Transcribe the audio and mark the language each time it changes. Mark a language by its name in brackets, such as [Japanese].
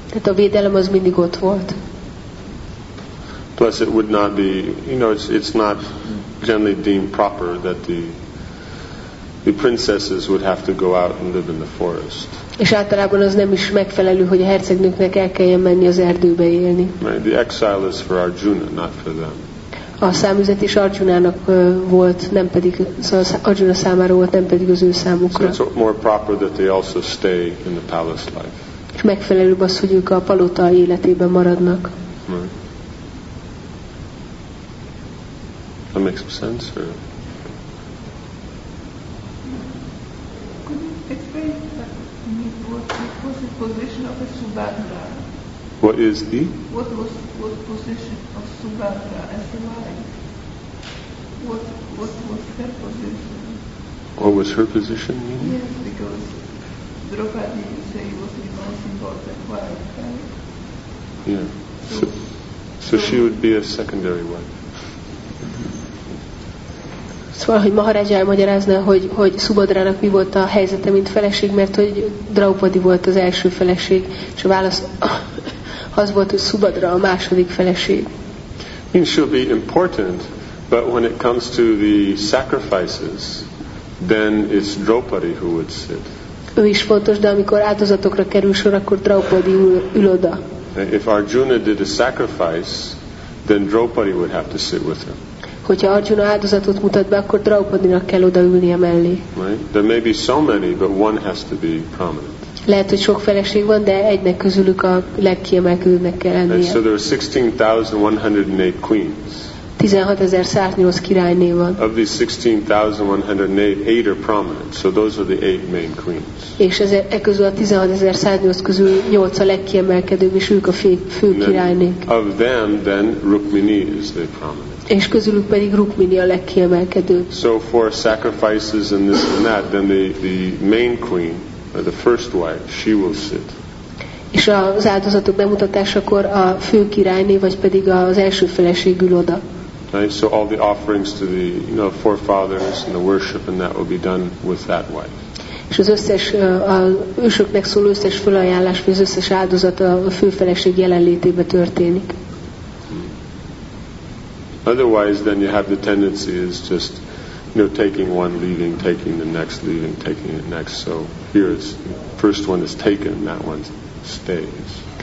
[Hungarian] Tehát a védelem az mindig ott volt. [English] Plus, it would not be, you know, it's not generally deemed proper that the princesses would have to go out and live in the forest. [Hungarian] És általában az nem is megfelelő, hogy a hercegnőknek el kelljen menni az erdőbe élni. [English] Right, the exile is for Arjuna, not for them. [Hungarian] A száműzet is Arjunának volt, nem pedig Arjuna számára volt, nem pedig az ő számukra. [English] So it's more proper that they also stay in the palace life. [Hungarian] És megfelelőbb az, hogy ők a palota életében maradnak. [English] Right. That makes some sense, or? Could you explain that what was the position of the Subhadra? What is the? What was the position of Subhadra as a wife? What was her position? What was her position, meaning? Yes, because Draupadi, you say, was the most important wife, right? Yeah. So she would be a secondary wife. [Hungarian] Szóval, hogy Maharaja elmagyarázna, hogy Subhadrának mi volt a helyzete, mint feleség, mert hogy Draupadi volt az első feleség, és a válasz az volt, hogy Subhadra a második feleség. [English] And she'll be important, but when it comes to the sacrifices, then it's Draupadi who would sit. [Hungarian] Ő is fontos, de amikor áldozatokra kerül sor, akkor Draupadi ül oda. [English] If Arjuna did a sacrifice, then Draupadi would have to sit with him. [Hungarian] Hogyha Arjuna áldozatot mutat be, akkor Draupadinak kell odaülnie mellé. [English] Right? There may be so many, but one has to be prominent. [Hungarian] Lehet, hogy sok feleség van, de egynek közülük a legkiemelkedőnek kell lennie. [English] And so there are 16,108 queens. [Hungarian] 16,108 királyné van. [English] Of these 16,108, 8 are prominent. So those are the 8 main queens. [Hungarian] És e közül a 16,108 közül 8 a legkiemelkedőbb, és ők a fő királynék. [English] Of them, then, Rukmini is the prominent. [Hungarian] És közülük pedig Rukmini a legkiemelkedő. [English] So for sacrifices and this and that, then the main queen, or the first wife, she will sit. [Hungarian] És az áldozatok bemutatásakor a fő királyné, vagy pedig az első feleség ül oda. [English] Right, so all the offerings to the, you know, forefathers and the worship and that will be done with that wife. [Hungarian] És az összes, az ősöknek szóló összes fölajánlás, vagy az összes áldozat a fő feleség jelenlétében történik. [English] Otherwise, then you have the tendency is just, you know, taking one, leaving, taking the next, leaving, taking the next. So here it's first one is taken, that one stays.